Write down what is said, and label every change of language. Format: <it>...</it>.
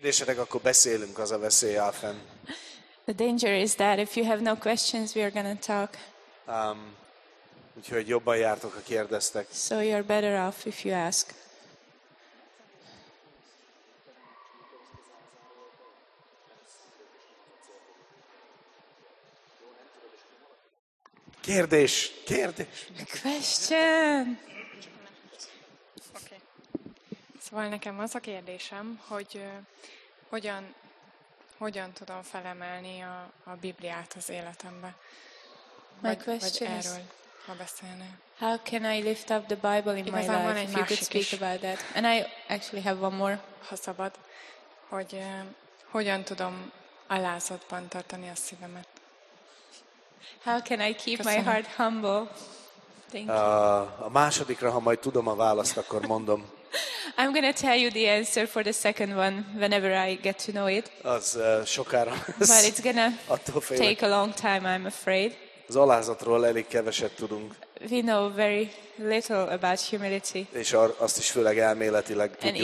<hu>Kérdésetek, akkor beszélünk, az a veszély áll fenn.</hu> <en>The danger is that if you have no questions, we are going to talk.</en> <hu>Úgyhogy jobban jártok, ha kérdeztek.</hu> <en>So you're better off if you ask.</en> <hu>Kérdés, kérdés.</hu> <en>Question. Okay.</en> <hu>Szóval nekem az a kérdésem, hogy hogyan tudom felemelni a Bibliát az életembe.</hu> <en>My question</en> <hu>vagy erről, ha beszélne.</hu> <en>How can I lift up the Bible in</en> <hu>Igazán</hu> <en>my life? If you could speak about that. And I actually have one more.</en> <hu>Ha szabad, hogy hogyan tudom alázatban tartani a szívemet.</hu> <en>How can I keep my heart humble? Thank you.</en> <hu>A másodikra, ha majd tudom a választ, akkor mondom.</hu> <en>I'm going to tell you the answer for the second one whenever I get to know it.</en> <hu>Az sokára.</hu> <en>But it's going to take a long time, I'm afraid.</en> <hu>Az alázatról elég keveset tudunk.</hu> <en>We know very little about humility.</en> <hu>És azt is főleg elméletileg tudjuk.</hu>